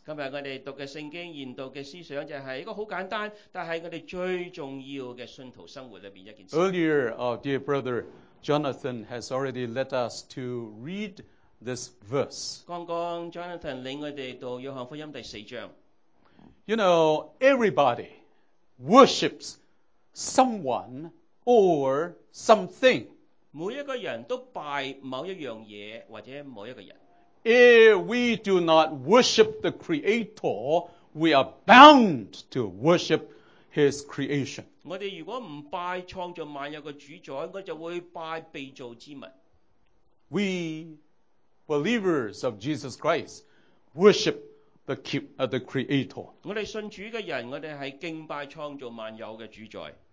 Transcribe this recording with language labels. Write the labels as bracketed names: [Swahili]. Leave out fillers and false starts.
[Chinese] 今天我们读的圣经研读的思想就是一个很简单但是我们最重要的信徒生活里面一件事。 [English] Earlier, our dear brother Jonathan has already led us to read this verse. [Chinese] 刚刚 Jonathan 领我们读约翰福音第四章。 [English] You know, everybody worships someone or something. [Chinese] 每一个人都拜某一样东西或者某一个人。 [English] If we do not worship the Creator, we are bound to worship His creation. We believers of Jesus Christ worship the Creator.